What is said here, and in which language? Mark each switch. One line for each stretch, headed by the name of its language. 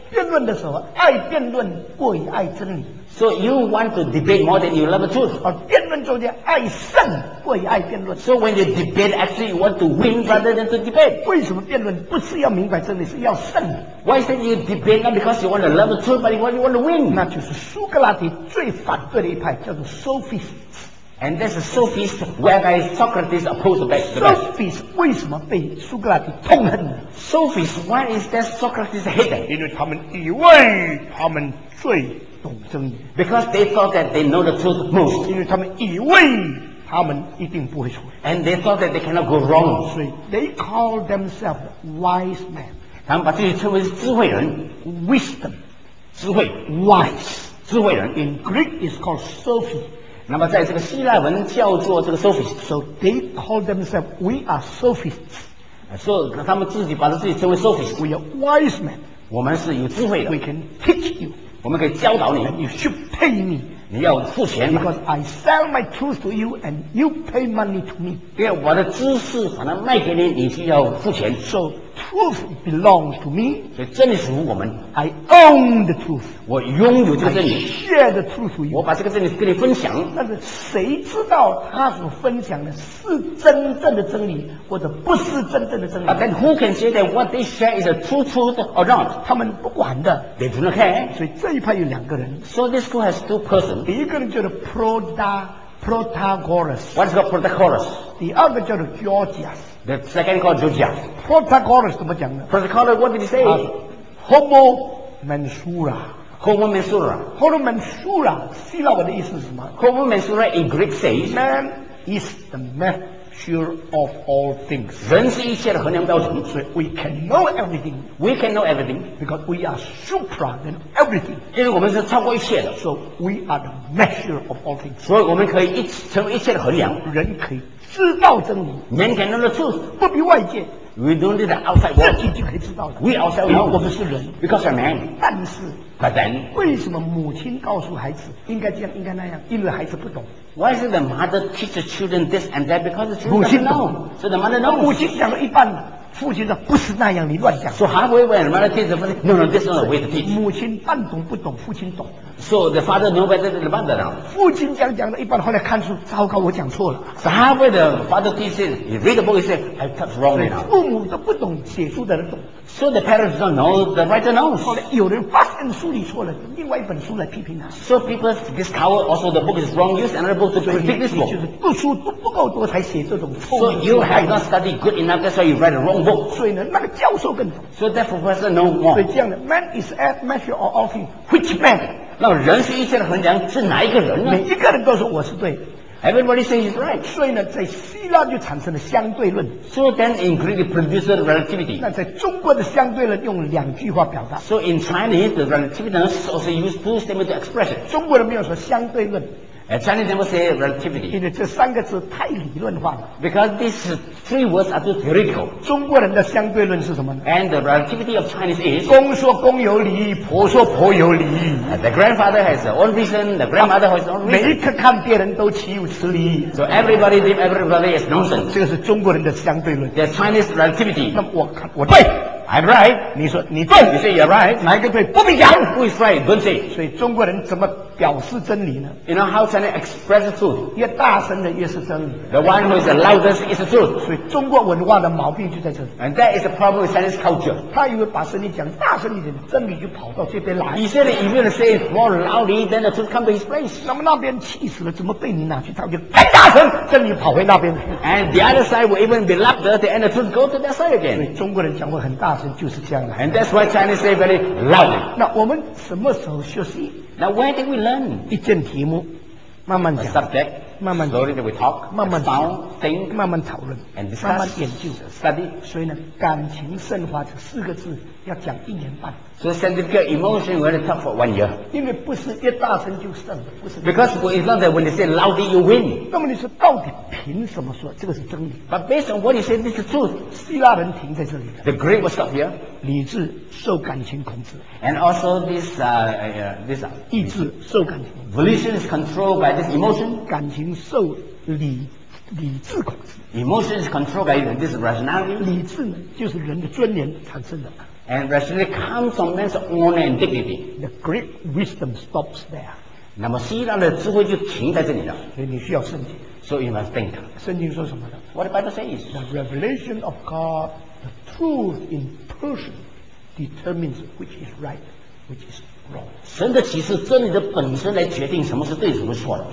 Chinese: 辩论的时候，爱辩论过于爱真理。
English: So you want to debate more than you love the truth.
Chinese: 而辩论中间爱胜过于爱辩论。
English: So when you debate, actually you want to win rather than to debate.
Chinese: 为什么辩论不是要明白真理，是要胜？
English: Why is it you debate not because you want to love the truth, but you want to win?
Chinese: 那就是苏格拉底最反对的一派，叫做 Sophists。
English: And there's a Sophist whereby Socrates opposed the best.
Chinese: Sophist 为什么被苏格拉底痛恨？
English: Sophist, why is that Socrates hated?
Chinese: 因为他们以为他们最懂真理。
English: Because they thought that they know the truth most.
Chinese: 因为他们以为他们一定不会错。
English: And they thought that they cannot go wrong.
Chinese: 所以
English: they call themselves wise men.
Chinese: 他们把自己称为智慧人。
English: Wisdom,
Chinese: 智慧。
English: Wise,
Chinese: 智慧人。
English: In Greek, it's called Sophie.
Chinese: 那么在这个希腊文叫做这个 Sophist.
English: So they call themselves, we are Sophists. So
Chinese: 他们自己把自己称为 Sophists.
English: We are wise men.
Chinese: 我们是有智慧的。
English: We can teach you.
Chinese: 我们可以教导你。
English: And you should pay me.
Chinese: 你要付钱。
English: Because I sell my truth to you and you pay money to me.
Chinese: 因为我的知识把它卖给你，你需要付钱。
English: So truth belongs to me.
Chinese: 所以真理属于我们。
English: I own the truth.
Chinese: 我拥有这个真理。
English: I share the truth with you.
Chinese: 我把这个真理跟你分享。但是谁知道他所分享的是真正的真理，或者不是真正的真理？
English: But then who can say that what they share is a true truth or not?
Chinese: 他们不管的。
English: They do not care.
Chinese: 所以这一派有两个人。
English: So this school has two persons.
Chinese: 一个人叫做 Protagoras.
English: What's called Protagoras?
Chinese: 第二个叫做 Georgias.
English: The second called Georgias.
Chinese: Protagoras 怎么讲呢
English: ？Protagoras, what did he say?
Latin: Homo mensura. Homo mensura. Homo mensura.
Chinese: 希腊文的意思是什么
English: ？Homo mensura in Greek says, "Man is the measure of all things."
Chinese: 人是一切的衡量标准。所以
English: we can know everything. We can know everything because we are supra than everything.
Chinese: 因为我们是超过一切的。
English: So we are the measure of all things.
Chinese: 所以我们可以成为一切的衡量。人可以知道真理。
English: Man can know the truth.
Chinese: 不比外界。
English: We don't need the outside world.
Chinese: 自己就可以知道了。
English: We ourselves know.
Chinese: 我们是人。
English: Because we're man.
Chinese: 但是。
English: But then.
Chinese: 为什么母亲告诉孩子应该这样应该那样，因为孩子不懂。
English: Why is the mother teach the children this and that? Because the children don't know.
Chinese: 母亲懂。
English: So the mother knows.
Chinese: 母亲讲了一半，父亲说不是那样，你乱讲。
English: So halfway when the mother teaches the mother, no, no, this is not the way to teach.
Chinese: 母亲半懂不懂，父亲懂。
English: So the father knows better than the mother now.
Chinese: 父亲讲讲了一半，后来看出，糟糕，我讲错了。
English: So halfway the father teaches, he read the book, he says, I touched wrong now.
Chinese: 父母都不懂，写书的人懂。
English: So the parents don't know, the writer knows.
Chinese: 后来有人发现书里错了，另外一本书来批评他。
English: So people discover also the book is wrong, use another book to critique this book.
Chinese: 就是读书读不够多才写这种错误。
English: So you have not studied good enough, that's why you write the wrong book.
Chinese: 所以呢，那个教授更懂。
English: So that professor knows more.
Chinese: 所以这样的
English: man is at measure of all things, which man?
Chinese: 那人是一切的衡量，是哪一个人呢？每一个人都说我是对。
English: Everybody says it's right.
Chinese: 所以呢，在希腊就产生了相对论。
English: So then in Greek it produces relativity.
Chinese: 那在中国的相对论用两句话表达。
English: So in Chinese the relativity is also used two statements to express it.
Chinese: 中国人没有说相对论。
English: Chinese never say relativity.
Chinese: 因为这三个字太理论化了。
English: Because these three words are too theoretical.
Chinese: 中国人的相对论是什么呢
English: ？And the relativity of Chinese is.
Chinese: 公说公有理，婆说婆有理。
English: The grandfather has his own reason. The grandmother has his own reason.
Chinese: 每一刻看别人都岂有此理。
English: So everybody think everybody is nonsense.
Chinese: 这个是中国人的相对论。
English: The Chinese relativity.
Chinese: 那我对。
English: I'm right.
Chinese: 你说你对。
English: You say you're right.
Chinese: 哪一个对？不必讲。
English: Who is right? Don't say.
Chinese: 所以中国人怎么？表示真理呢
English: You know how can I express the truth?
Chinese: 越大声的越是真理
English: The one who is the loudest is the truth
Chinese: 所以中国文化的毛病就在这里
English: And that is the problem with Chinese culture
Chinese: 他以为把声音讲大声一点真理就跑到这边来
English: He said if you say it more loudly then the truth comes to his place
Chinese: 那么那边气死了怎么被你拿去他就太大声真理跑回那边
English: And the other side will even be louder and the truth go to that side again
Chinese: 所以中国人讲话很大声就是这样来
English: And that's why Chinese say very loudly
Chinese: 那我们什么时候休息
English: Now, where did we learn?
Chinese: 一件题目，慢慢讲。
English: A subject.
Chinese: 慢慢
English: slowly that we talk.
Chinese: 慢慢
English: found, think.
Chinese: 慢慢讨论。
English: And discuss.
Chinese: 慢慢研究。
English: Study.
Chinese: 所以呢，感情升华这四个字要讲一年半。
English: So sanctification emotion, we're going to talk for 1 year.
Chinese: 因为不是一大声就胜，不是。
English: Because it's not that when they say loudly you win.
Chinese: 那么你说到底凭什么说这个是真理？
English: But based on what you say, this is truth.
Chinese: 希腊人停在这里的。
English: The Greek was stopped here.
Chinese: 理智受感情控制。
English: And also this, this.
Chinese: 意志受感情。
English: Volition is controlled by this emotion.
Chinese: 感情受理。理智控制。
English: Emotion is controlled by this rationality.
Chinese: 理智呢，就是人的尊严产生的。
English: And rationality comes from man's honor and dignity. The great wisdom stops there.
Chinese: 那么希腊的智慧就停在这里了。所以你需要圣经。
English: So you must think.
Chinese: 圣经说什么呢？
English: What the Bible says? The revelation of God, the truth in person, determines which is right, which is wrong.
Chinese: 神的启示，真理的本身来决定什么是对，什么是错的。